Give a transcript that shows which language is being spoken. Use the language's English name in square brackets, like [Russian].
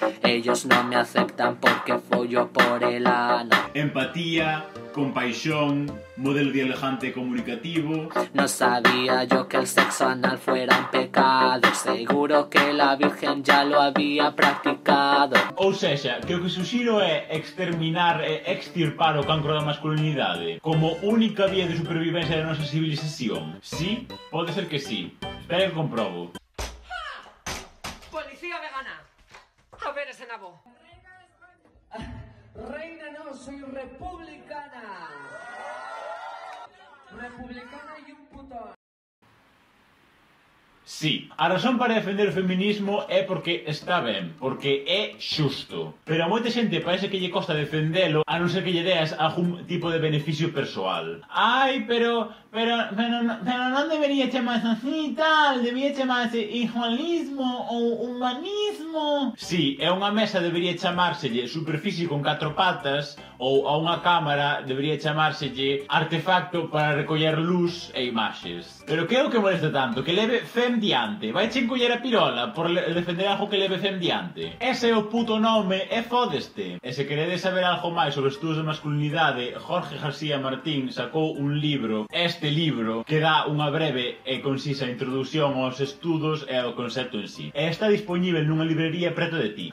[Spanish] Ellos no me aceptan porque follo por el ano. [Galician] Empatía, compaixón, modelo dialejante comunicativo. [Spanish] No sabía yo que el sexo anal fuera un pecado. Seguro que la virgen ya lo había practicado. [Galician] Ou sexa, que o que suxiro é exterminar e extirpar o cancro da masculinidade como única vía de supervivencia da nosa civilización. Sí, pode ser que sí. Espera que comprobo. [Spanish] Policía vegana. A ver ese nabo. Reina, no, soy republicana. republicana y un puto... [Galician] Sí, a razón para defender o feminismo é porque está ben, porque é xusto. Pero a moita xente parece que lle costa defendelo a non ser que lle deas algún tipo de beneficio persoal. Ai, pero non debería chamarse así e tal, debería chamarse igualismo ou humanismo. Sí, a unha mesa debería chamárselle superficie con catro patas ou a unha cámara debería chamárselle artefacto para recoller luz e imaxes. Pero que é o que molesta tanto? Que leve fem diante. Vai che encoller a pirola por defender algo que leve fem diante. Ese é o puto nome e fodeste. E se queredes saber algo máis sobre estudos de masculinidade, Jorge García Martín sacou un libro, este libro, que dá unha breve e concisa introdución aos estudos e ao concepto en sí. E está disponible nunha librería preto de ti.